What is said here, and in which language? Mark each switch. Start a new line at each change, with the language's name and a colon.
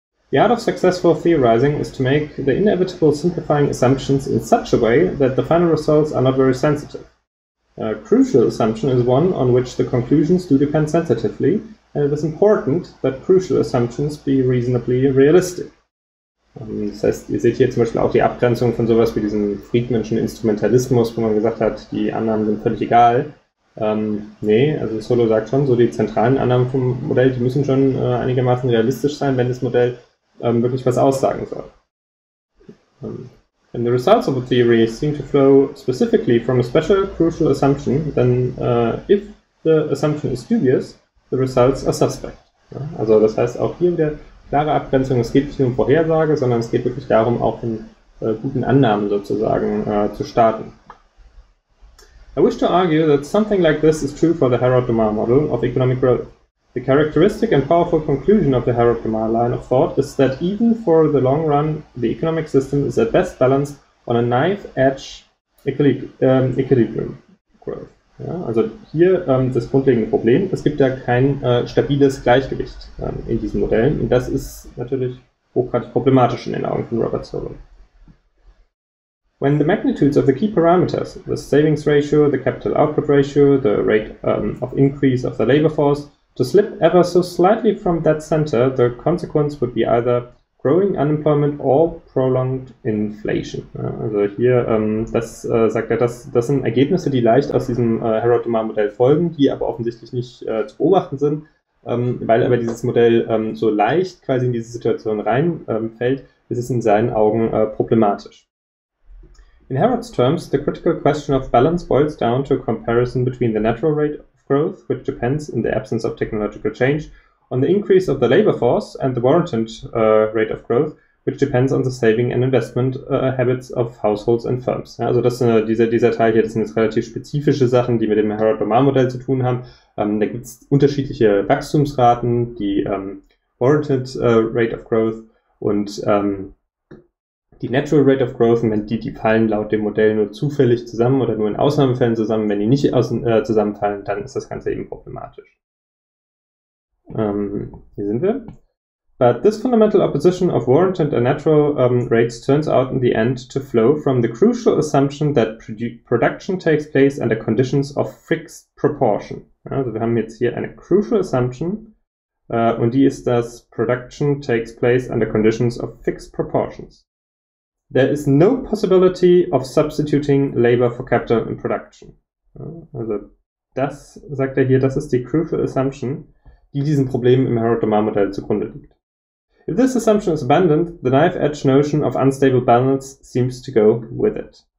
English: The art of successful theorizing is to make the inevitable simplifying assumptions in such a way that the final results are not very sensitive. A crucial assumption is one on which the conclusions do depend sensitively, and it is important that crucial assumptions be reasonably realistic.
German: Das heißt, ihr seht hier zum Beispiel auch die Abgrenzung von sowas wie diesem Friedmannschen Instrumentalismus, wo man gesagt hat, die Annahmen sind völlig egal. Nee, also Solow sagt schon, so die zentralen Annahmen vom Modell, die müssen schon einigermaßen realistisch sein, wenn das Modell wirklich was aussagen soll.
English: When the results of a theory seem to flow specifically from a special crucial assumption, then if the assumption is dubious, the results are suspect.
German: Ja, also das heißt auch hier wieder klare Abgrenzung, es geht nicht nur um Vorhersage, sondern es geht wirklich darum, auch in guten Annahmen sozusagen zu starten.
English: I wish to argue that something like this is true for the Harrod-Domar model of economic growth. The characteristic and powerful conclusion of the Harrod-Domar line of thought is that even for the long run, the economic system is at best balanced on a knife-edge equilibrium growth.
German: Ja, also hier das grundlegende Problem: Es gibt ja kein stabiles Gleichgewicht in diesen Modellen, und das ist natürlich hochgradig problematisch in den Augen von Robert Solow.
English: When the magnitudes of the key parameters, the savings ratio, the capital output ratio, the rate of increase of the labor force, to slip ever so slightly from that center, the consequence would be either growing unemployment or prolonged inflation.
German: Ja, also hier, das sagt er, das sind Ergebnisse, die leicht aus diesem Harrod-Domar-Modell folgen, die aber offensichtlich nicht zu beobachten sind, weil aber dieses Modell so leicht quasi in diese Situation reinfällt, ist es in seinen Augen problematisch.
English: In Harrod's terms, the critical question of balance boils down to a comparison between the natural rate of growth, which depends in the absence of technological change, on the increase of the labor force, and the warranted rate of growth, which depends on the saving and investment habits of households and firms.
German: Ja, also das sind, dieser Teil hier, das sind jetzt relativ spezifische Sachen, die mit dem Harrod-Domar-Modell zu tun haben. Da gibt es unterschiedliche Wachstumsraten, die
English: warranted rate of growth
German: und die
English: Natural Rate of Growth,
German: wenn die fallen laut dem Modell nur zufällig zusammen oder nur in Ausnahmefällen zusammen, wenn die nicht zusammenfallen, dann ist das Ganze eben problematisch. Hier sind wir.
English: But this fundamental opposition of warranted and natural rates turns out in the end to flow from the crucial assumption that production takes place under conditions of fixed proportion.
German: Also wir haben jetzt hier eine crucial assumption, und die ist, dass
English: production takes place under conditions of fixed proportions. There is no possibility of substituting labor for capital in production.
German: Also das sagt er hier, das ist die crucial assumption, die diesem Problem im Harrod-Domar-Modell zugrunde liegt.
English: If this assumption is abandoned, the knife-edge notion of unstable balance seems to go with it.